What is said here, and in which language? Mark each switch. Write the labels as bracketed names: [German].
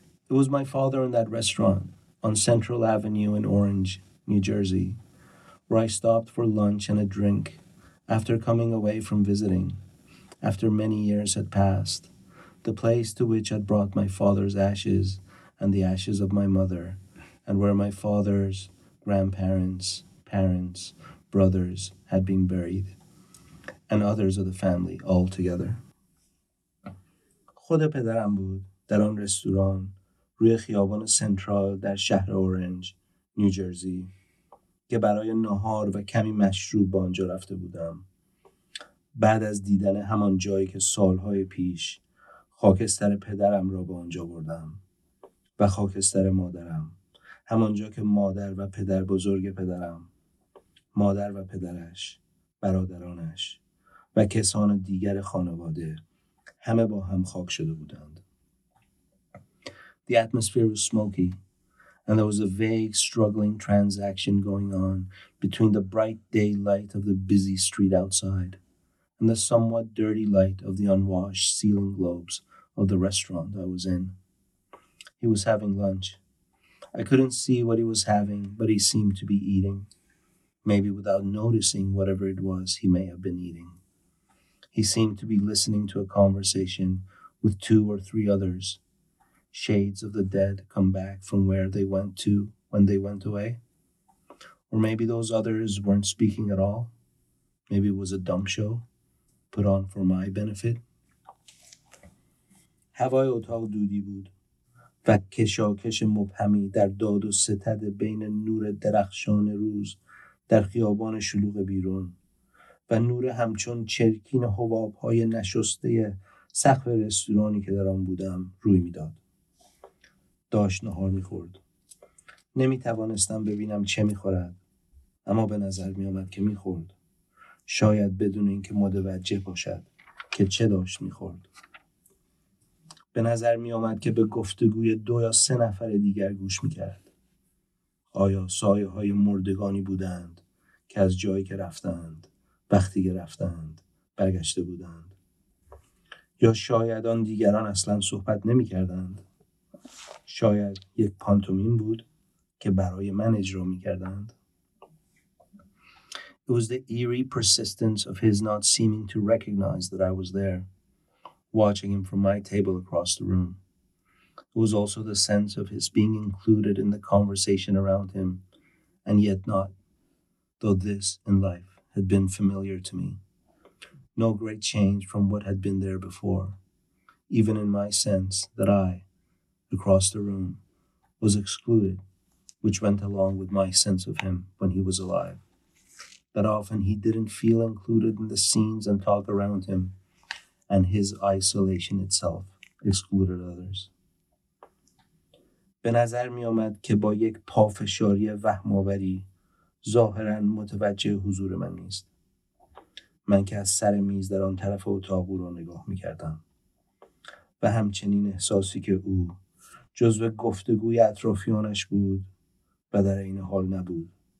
[English] It was my father in that restaurant on Central Avenue in Orange, New Jersey, where I stopped for lunch and a drink after coming away from visiting, after many years had passed, the place to which I'd brought my father's ashes and the ashes of my mother, and where my father's grandparents, parents, brothers had been buried, and others of the family all together. [Persian] خود پدرم بود در آن رستوران روی خیابان سنترال در شهر اورنج، نیو جرزی که برای نهار و کمی مشروب با آنجا رفته بودم بعد از دیدن همان جایی که سالهای پیش خاکستر پدرم را به آنجا بردم و خاکستر مادرم همانجا که مادر و پدر بزرگ پدرم مادر و پدرش، برادرانش و کسان دیگر خانواده همه با هم خاک شده بودند. [English] The atmosphere was smoky, and there was a vague, struggling transaction going on between the bright daylight of the busy street outside and the somewhat dirty light of the unwashed ceiling globes of the restaurant I was in. He was having lunch. I couldn't see what he was having, but he seemed to be eating, maybe without noticing whatever it was he may have been eating. He seemed to be listening to a conversation with two or three others, shades of the dead come back from where they went to when they went away. Or maybe those others weren't speaking at all. Maybe it was a dumb show put on for my benefit. [Persian] هوای اتاق دودی بود و کشاکش مبهمی در داد و ستد بین نور درخشان روز در خیابان شلوغ بیرون و نور همچون چرکین حباب‌های نشسته سقف رستورانی که در آن بودم روی می‌داد. داشت نهار می‌خورد. نمی‌توانستم ببینم چه می‌خورد، اما به نظر می‌آمد که می‌خورد. شاید بدون اینکه متوجه باشد که چه داشت می‌خورد. به نظر می‌آمد که به گفتگوی دو یا سه نفر دیگر گوش می‌کرد. آیا سایه‌های مردگانی بودند که از جایی که رفتند وقتی که رفتند برگشته بودند یا شاید آن دیگران اصلا صحبت نمی کردند شاید یک پانتومیم بود که برای من اجرا می کردند [English] It was the eerie persistence of his not seeming to recognize that I was there watching him from my table across the room It was also the sense of his being included in the conversation around him and yet not though this in life had been familiar to me. No great change from what had been there before, even in my sense that I, across the room, was excluded, which went along with my sense of him when he was alive. That often he didn't feel included in the scenes and talk around him, and his isolation itself excluded others. [Persian] به نظر می آمد که با یک پافشاری وهم‌آوری ظاهراً متوجه حضور من نیست. من که از سر میز در آن طرف اتاق او را نگاه می کردم. و همچنین احساسی که او جزو گفتگوی اطرافیانش بود و در این حال نبود.